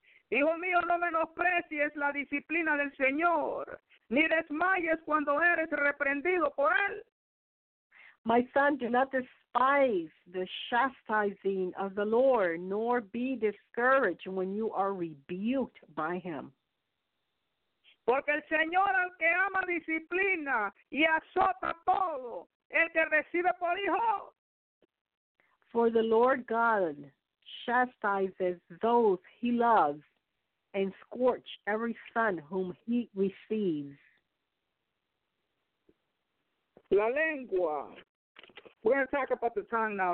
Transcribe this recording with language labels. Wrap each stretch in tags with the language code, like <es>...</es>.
<es>Hijo mío, no menosprecies la disciplina del Señor, ni desmayes cuando eres reprendido por él.</es> <en>My son, do not despise the chastising of the Lord, nor be discouraged when you are rebuked by him.</en> <es>Porque el Señor al que ama disciplina y azota todo, el que recibe por hijo.</es> <en>For the Lord God chastises those he loves and scorch every son whom he receives.</en> <es>La lengua.</es> <en>We're going to talk about the tongue now.</en>